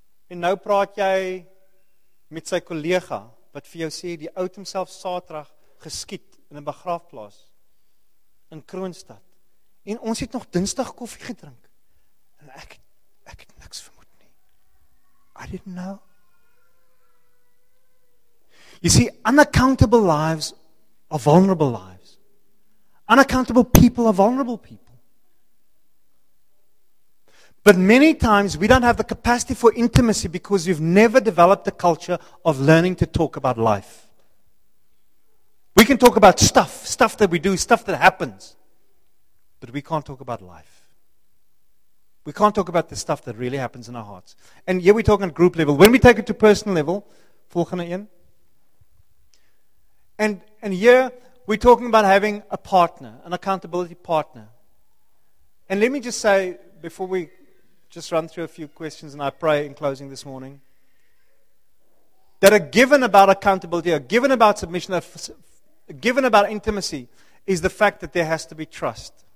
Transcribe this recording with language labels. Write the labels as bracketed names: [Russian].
[Afrikaans] En nou praat jy met sy kollega wat vir jou sê die ou het homself Saterdag geskiet in 'n begraafplaas in Kroonstad. En ons het nog Dinsdag koffie gedrink. En ek het niks vermoed nie. [English] I didn't know. You see, unaccountable lives are vulnerable lives. Unaccountable people are vulnerable people. But many times we don't have the capacity for intimacy because we've never developed the culture of learning to talk about life. We can talk about stuff that we do, stuff that happens. But we can't talk about life. We can't talk about the stuff that really happens in our hearts. And here we're talking at group level. When we take it to personal level, [Afrikaans] volgende een. [English] And here we're talking about having a partner, an accountability partner. And let me just say, before we just run through a few questions and I pray in closing this morning, that a given about accountability, a given about submission, a given about intimacy is the fact that there has to be trust.